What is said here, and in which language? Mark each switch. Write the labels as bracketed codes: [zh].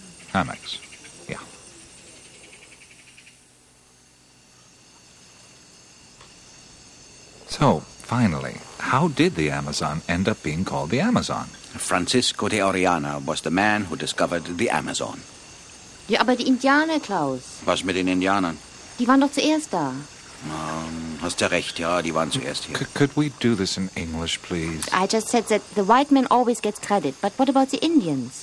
[en] Hammocks. So, finally, how did the Amazon end up being called the Amazon? Francisco de Orellana was the man who discovered the Amazon. [de] Ja, aber die Indianer, Klaus. Was mit den Indianern? Die waren doch zuerst da. Hast du recht, ja, die waren zuerst hier. [en] Could we do this in English, please? I just said that the white man always gets credit, but what about the Indians?